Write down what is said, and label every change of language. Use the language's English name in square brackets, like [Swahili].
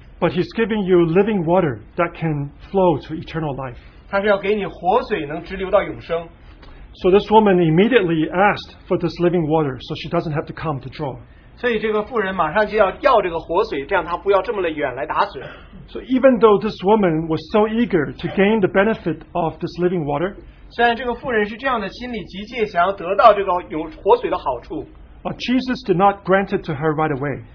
[English] But he's giving you living water that can flow to eternal life. [Chinese] 他是要给你活水能直流到永生。 [English] So this woman immediately asked for this living water so she doesn't have to come to draw. [Chinese] 所以这个妇人马上就要要这个活水，这样她不要这么远来打水。 [English] So even though this woman was so eager to gain the benefit of this living water, [Chinese] 虽然这个妇人是这样的心理急切，想要得到这个有活水的好处, [English] but Jesus did not grant it to her right away.